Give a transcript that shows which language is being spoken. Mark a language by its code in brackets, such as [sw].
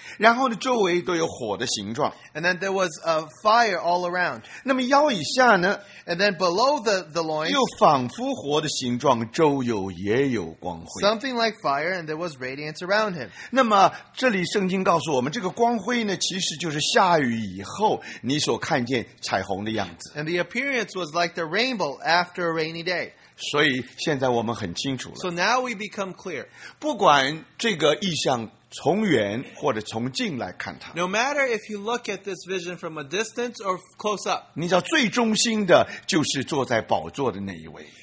[zh] 然后呢，周围都有火的形状。 [en] And then there was a fire all around. [zh] 那么腰以下呢？ [en] And then below the loins, [zh] 又仿佛火的形状，周有也有光辉。 [en] Something like fire, and there was radiance around him. [zh] 那么这里圣经告诉我们，这个光辉呢，其实就是下雨以后你所看见彩虹的样子。 [en] And the appearance was like the rainbow after a rainy day. [zh] 所以现在我们很清楚了。 [en] So now we become clear. [zh] 不管这个意象。从远或者从近来看它。 [en] No matter if you look at this vision from a distance or close up. [zh] 你知道最中心的就是坐在宝座的那一位。